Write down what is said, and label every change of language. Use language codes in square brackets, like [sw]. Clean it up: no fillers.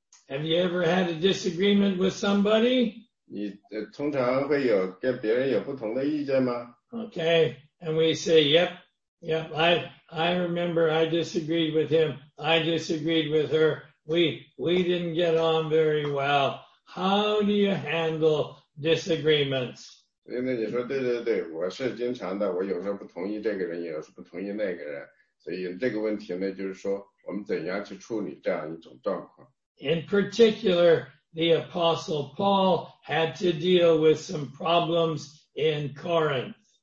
[en] Have you ever had a disagreement with somebody? [zh] 你通常会有跟别人有不同的意见吗？ [en] Okay, and we say, yep, yep, I remember I disagreed with him, I disagreed with her, we didn't get on very well. How do you handle disagreements? [zh] 所以呢，你说对对对，我是经常的，我有时候不同意这个人，有时候不同意那个人，所以这个问题呢，就是说我们怎样去处理这样一种状况。 [en] In particular, the Apostle Paul had to deal with some problems in Corinth.